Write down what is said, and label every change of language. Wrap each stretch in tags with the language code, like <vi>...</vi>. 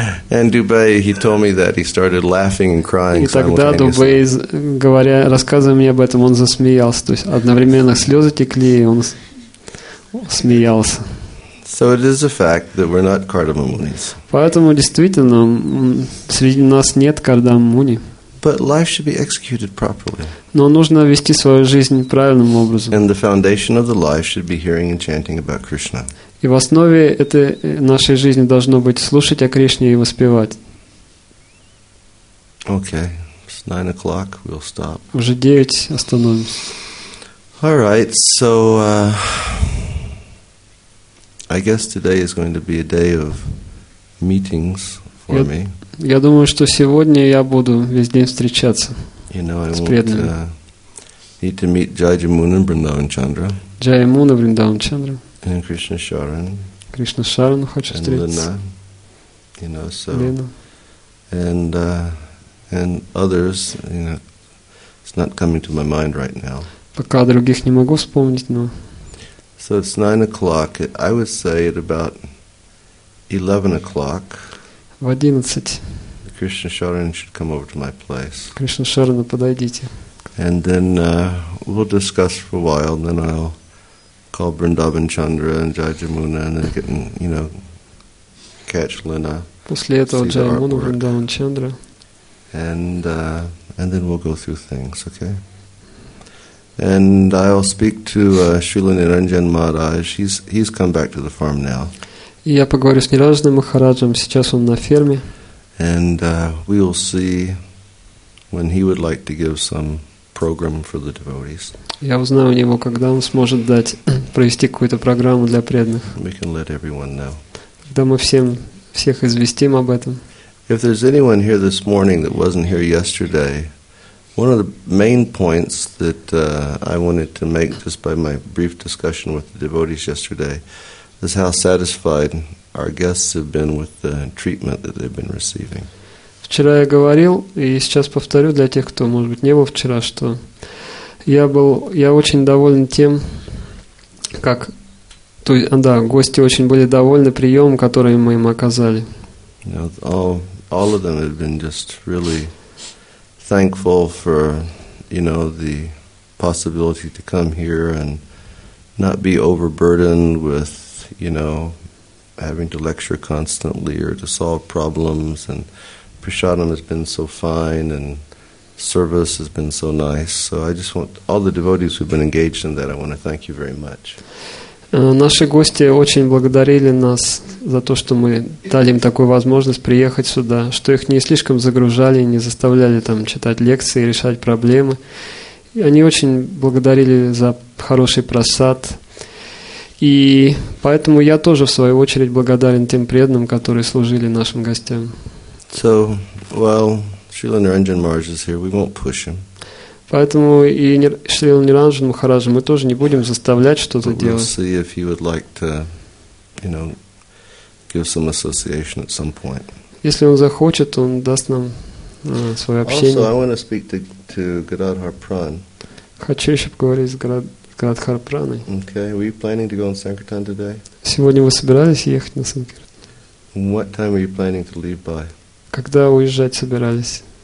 <en>And Dubai, he told me that he started laughing and crying.</en> <ru>И тогда Дубей, говоря, рассказывая мне об этом, он засмеялся, то есть одновременно слезы текли, и он смеялся.</ru> <en>So it is a fact that we're not Kardama Munis.</en> <ru>Поэтому действительно среди нас нет Кардама Муни.</ru> <en>But life should be executed properly.</en> <ru>Но нужно вести свою жизнь правильным образом.</ru> <en>And the foundation of the life should be hearing and chanting about Krishna.</en> <ru>И в основе этой нашей жизни должно быть слушать о Кришне и воспевать.</ru> <en>Okay, it's 9 o'clock. We'll stop.</en> <ru>Уже 9, остановимся.</ru> <en>All right, so I guess today is going to be a day of meetings for me.</en> <ru>Я думаю, что сегодня я буду весь день встречаться с преданными.</ru> <en>Need to meet Jayamun and Brindavan Chandra. Jayamun and Brindavan Chandra. And Krishna Sharan.</en> <ru>Krishna Sharan хочу встретиться.</ru> <en>And Luna, you know, so. Lena. And others, you know, it's not coming to my mind right now.</en> <ru>Пока других не могу вспомнить, но.</ru> <en>So it's 9 o'clock. I would say at about 11 o'clock.</en> <ru>В 11.</ru> <en>Krishna Sharan should come over to my place.</en> <ru>Krishna Sharan, подойдите.</ru> <en>And then we'll discuss for a while, and then I'll call Brindavan Chandra and Jayamuna, and then get, you know, catch Luna.</en> <ru>После этого Jayamuna, Brindavan Chandra.</ru> <en>And then we'll go through things, okay? And I'll speak to Srila Niranjan Maharaj. He's come back to the farm now.</en> <ru>И я поговорю с Ниранджаном Махараджем. Сейчас он на ферме.</ru> <en>And we'll see when he would like to give some program for the devotees.</en> <ru>Я узнаю у него, когда он сможет дать провести какую-то программу для преданных.</ru> <en>We can let everyone know.</en> <ru>Когда мы всех известим об этом.</ru> <en>If there's anyone here this morning that wasn't here yesterday. One of the main points that I wanted to make just by my brief discussion with the devotees yesterday is how satisfied our guests have been with the treatment that they've been receiving.</en> <ru>Вчера я говорил, и сейчас повторю для тех, кто, может быть, не был вчера, что я очень доволен тем, как гости очень были довольны приемом, который мы им оказали.</ru> <en>You know, all of them have been just really thankful for, you know, the possibility to come here and not be overburdened with, you know, having to lecture constantly or to solve problems. And Prashadam has been so fine and service has been so nice. So I just want all the devotees who've been engaged in that, I want to thank you very much.</en> <ru>Наши гости очень благодарили нас за то, что мы дали им такую возможность приехать сюда, что их не слишком загружали, не заставляли там читать лекции, решать проблемы. И они очень благодарили за хороший просад. И поэтому я тоже, в свою очередь, благодарен тем преданным, которые служили нашим гостям.</ru> <en>So, well, Srila Niranjan Maharaj is here, we won't push him.</en> <ru>Поэтому и Шрила Ниранджан Махараджа мы тоже не будем заставлять что-то делать.</ru> <en>We'll see if he would like to, you know, give some association at some point.</en> <ru>Если он захочет, он даст нам свое общение.</ru> <en>Also, I want to speak to Gadadhar Pran.</en> <ru>Хочу еще поговорить с Гададхар Праной.</ru> <en>Okay, were you planning to go on Sankirtan today?</en> <ru>Сегодня вы собирались ехать на Санкиртан?</ru> <en>What time were you planning to leave by?</en> <ru>Когда уезжать собирались?</ru>